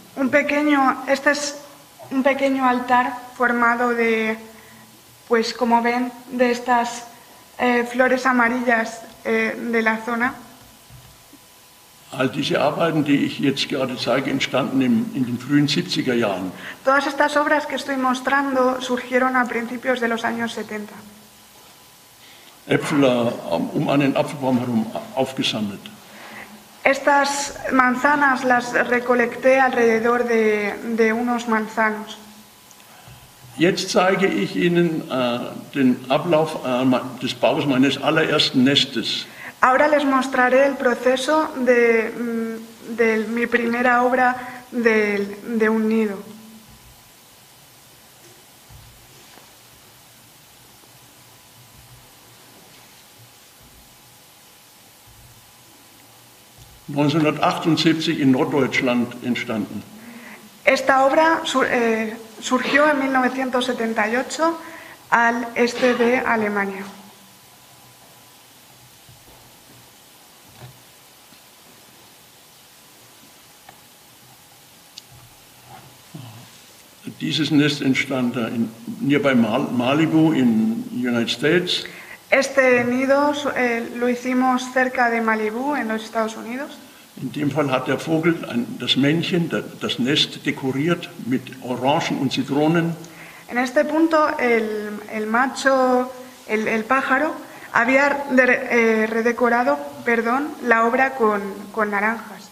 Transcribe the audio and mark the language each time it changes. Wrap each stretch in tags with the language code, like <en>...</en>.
<es>Un pequeño altar formado de, pues como ven, de estas flores amarillas de la zona.</es> <de>All diese Arbeiten, die ich jetzt gerade zeige, entstanden in den frühen 70er Jahren.</de> <es>Todas estas obras que estoy mostrando surgieron a principios de los años 70.</es> <de>Äpfel um einen Apfelbaum herum aufgesammelt.</de> <es>Estas manzanas las recolecté alrededor de unos manzanos.</es> <de>Jetzt zeige ich Ihnen den Ablauf des Baus meines allerersten Nestes.</de> <es>Ahora les mostraré el proceso de mi primera obra de un nido.</es> <de>In Norddeutschland entstanden.</de> <es>Esta obra surgió en 1978 al este de Alemania.</es> <de>Dieses Nest entstand</de> <en>nearby Malibu in the United States.</en> <es>Este nido lo hicimos cerca de Malibu, en los Estados Unidos.</es> <de>In dem Fall hat der Vogel das Männchen, das Nest dekoriert mit Orangen und Zitronen.</de> <es>En este punto el macho, el pájaro, había redecorado, perdón, la obra con naranjas.</es>